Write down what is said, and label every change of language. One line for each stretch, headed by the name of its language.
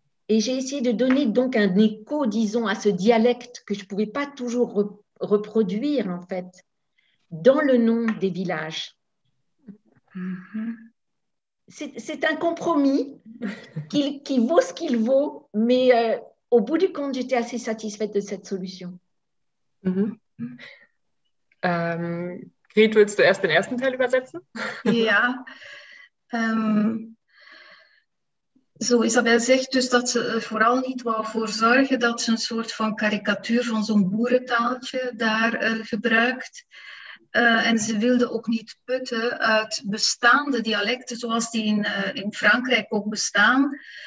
French: Et j'ai essayé de donner donc un écho, disons, à ce dialecte que je ne pouvais pas toujours reproduire, en fait, dans le nom des villages. C'est un compromis qui vaut ce qu'il vaut, mais au bout du compte, j'étais assez satisfaite de cette solution.
German: Grete, willst du erst den ersten Teil übersetzen? Ja.
Dutch: Zo, Isabel zegt dus dat ze er vooral niet wou voor zorgen dat ze een soort van karikatuur van zo'n boerentaaltje daar gebruikt. En ze wilde ook niet putten uit bestaande dialecten zoals die in Frankrijk ook bestaan.